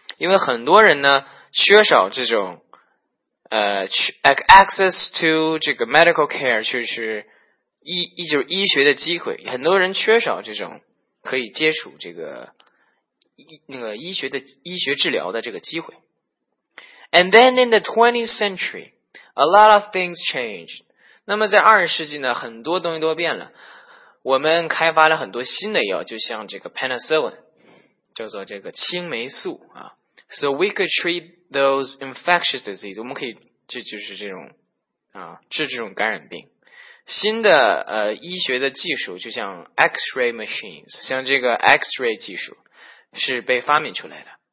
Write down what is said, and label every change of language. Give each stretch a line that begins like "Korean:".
Chinese: 因为很多人呢缺少这种
English: access to
Chinese: 这个 medical care, 就是医学的机会。很多人缺少这种可以接触这个医学治疗的这个机会。
English: And then in the 20th century, a lot of things changed.
Chinese: 那么在20世纪呢很多东西都变了我们开发了很多新的药就像这个 penicillin 叫做这个青霉素啊
English: So we could treat those infectious diseases
Chinese: 我们可以就是这种啊治这种感染病新的医学的技术就像 x-ray machines 像这个 x-ray 技术是被发明出来的